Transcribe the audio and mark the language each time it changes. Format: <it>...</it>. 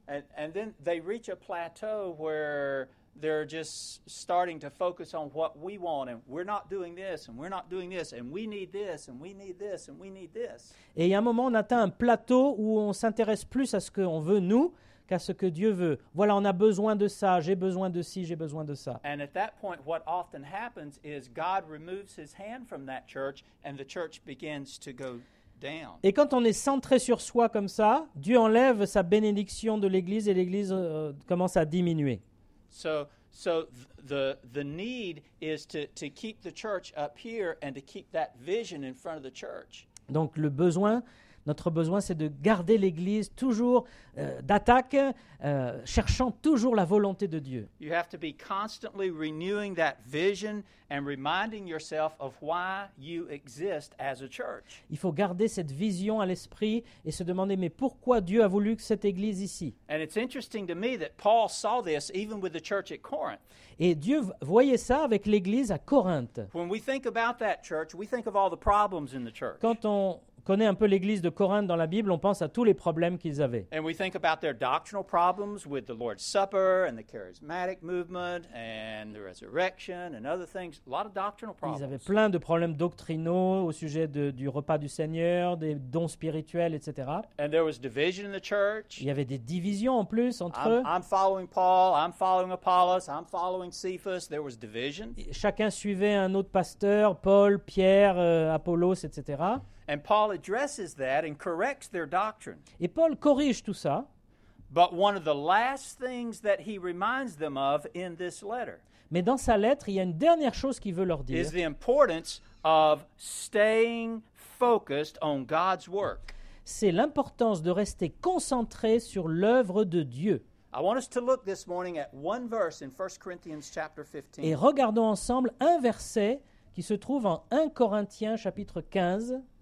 <en>And then they reach a plateau where they're just starting to focus on what we want, and we're not doing this, and we're not doing this, and we need this, and we need this, and we need this.</en> <fr>Et il y a un moment, on atteint un plateau où on s'intéresse plus à ce qu'on veut nous qu'à ce que Dieu veut. Voilà, on a besoin de ça, j'ai besoin de ci, j'ai besoin de ça.</fr> <en>And at that point, what often happens is God removes his hand from that church, and the church begins to go down.</en> <fr>Et quand on est centré sur soi comme ça, Dieu enlève sa bénédiction de l'Église et l'Église commence à diminuer.</fr> <en>So the need is to keep the church up here and to keep that vision in front of the church.</en> <fr>Donc le besoin, notre besoin, c'est de garder l'Église toujours d'attaque, cherchant toujours la volonté de Dieu.</fr> <en>You have to be constantly renewing that vision and reminding yourself of why you exist as a church.</en> <fr>Il faut garder cette vision à l'esprit et se demander, mais pourquoi Dieu a voulu que cette Église ici?</fr> <en>And it's interesting to me that Paul saw this even with the church at Corinth.</en> <fr>Et Dieu voyait ça avec l'Église à Corinthe.</fr> <en>When we think about that church, we think of all the problems in the church.</en> <fr>Quand on connaît un peu l'Église de Corinthe dans la Bible, on pense à tous les problèmes qu'ils avaient.</fr> <en>And we think about their doctrinal problems with the Lord's Supper and the charismatic movement and the resurrection and other things. A lot of doctrinal problems.</en> <fr>Ils avaient plein de problèmes doctrinaux au sujet du repas du Seigneur, des dons spirituels, etc.</fr> <en>And there was division in the church.</en> <fr>Il y avait des divisions en plus entre eux.</fr> <en>I'm following Paul, I'm following Apollos, I'm following Cephas. There was division.</en> <fr>Chacun suivait un autre pasteur, Paul, Pierre, Apollos, etc.</fr> <en>And Paul addresses that and corrects their doctrine.</en> <fr>Et Paul corrige tout ça.</fr> <en>But one of the last things that he reminds them of in this letter.</en> <fr>Mais dans sa lettre, il y a une dernière chose qu'il veut leur dire.</fr> <en>Is the importance of staying focused on God's work.</en> <fr>C'est l'importance de rester concentré sur l'œuvre de Dieu.</fr> <en>I want us to look this morning at one verse in 1 Corinthians chapter 15.</en> <fr>Et regardons ensemble un verset qui se trouve en 1 Corinthiens chapitre 15.</fr>